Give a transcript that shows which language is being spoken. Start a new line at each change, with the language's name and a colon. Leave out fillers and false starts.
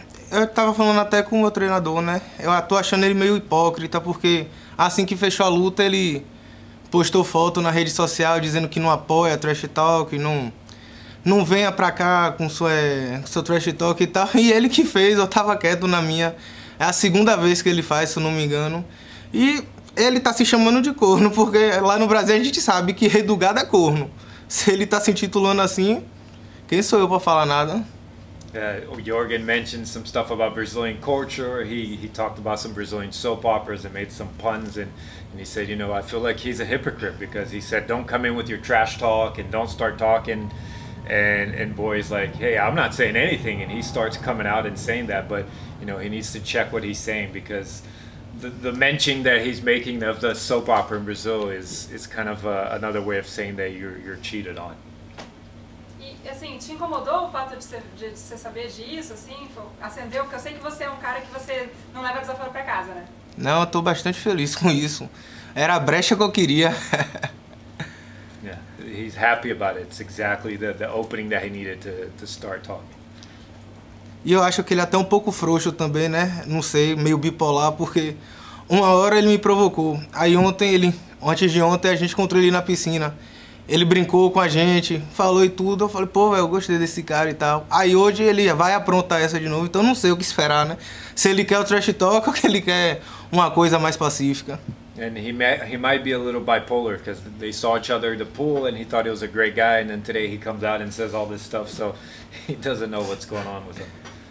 Portuguese: Eu tava falando até com o meu treinador, né, eu tô achando ele meio hipócrita, porque assim que fechou a luta, ele postou foto na rede social dizendo que não apoia trash talk, não venha pra cá com seu trash talk e tal, e ele que fez, eu tava quieto na minha, é a segunda vez que ele faz, se eu não me engano, e ele tá se chamando de corno, porque lá no Brasil a gente sabe que rei do gado é corno. Se ele tá se intitulando assim, quem sou eu para falar nada?
English: Jorgen mentioned some stuff about Brazilian culture. He talked about some Brazilian soap operas and made some puns. And he said, you know, I feel like he's a hypocrite because he said, don't come in with your trash talk and don't start talking. And boy's like, hey, I'm not saying anything. And he starts coming out and saying that. But, you know, he needs to check what he's saying because the mention that he's making of the soap opera in Brazil is kind of another way of saying that you're cheated on.
Portuguese: E assim, te incomodou o fato de saber disso, assim, acendeu, porque eu sei que você é um cara que você não leva desaforo para casa, né? Não, eu tô bastante feliz com isso. Era a brecha que eu queria.
English: Yeah, he's happy about it. It's exactly the opening that he needed to start talking.
Portuguese: E eu acho que ele é até um pouco frouxo também, né? Não sei, meio bipolar, porque uma hora ele me provocou. Aí ontem, antes de ontem, a gente encontrou ele na piscina. Ele brincou com a gente, falou e tudo. Eu falei, pô, velho, eu gostei desse cara e tal. Aí hoje ele vai aprontar essa de novo, então eu não sei o que esperar, né? Se ele quer o trash talk ou que ele quer uma coisa mais pacífica.
English: And he might be a little bipolar because they saw each other in the pool and he thought he was a great guy, and then today he comes out and says all this stuff, so he doesn't know what's going on with him.